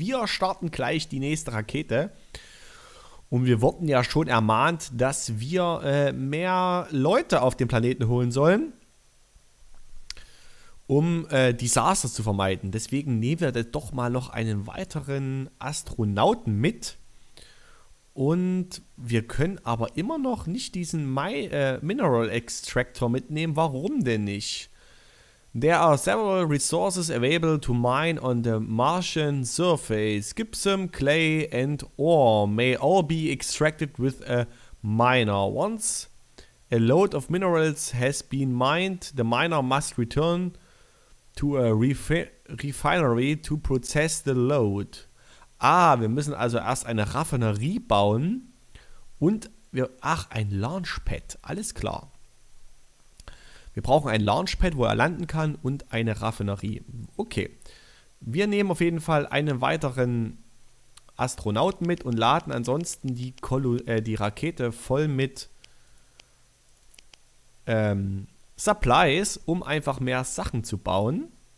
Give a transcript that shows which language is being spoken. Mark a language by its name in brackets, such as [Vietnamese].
[German] Wir starten gleich die nächste Rakete und wir wurden ja schon ermahnt, dass wir mehr Leute auf den Planeten holen sollen, um Desaster zu vermeiden. Deswegen nehmen wir doch mal noch einen weiteren Astronauten mit. Und wir können aber immer noch nicht diesen Mineral Extractor mitnehmen. Warum denn nicht? [English] There are several resources available to mine on the Martian surface. Gypsum, clay and ore may all be extracted with a miner. Once a load of minerals has been mined, the miner must return to a refinery to process the load. [German] Ah, wir müssen also erst eine Raffinerie bauen und wir, ach, ein Launchpad, alles klar. Wir brauchen ein Launchpad, wo er landen kann und eine Raffinerie. Okay, wir nehmen auf jeden Fall einen weiteren Astronauten mit und laden ansonsten die Rakete voll mit Supplies, um einfach mehr Sachen zu bauen.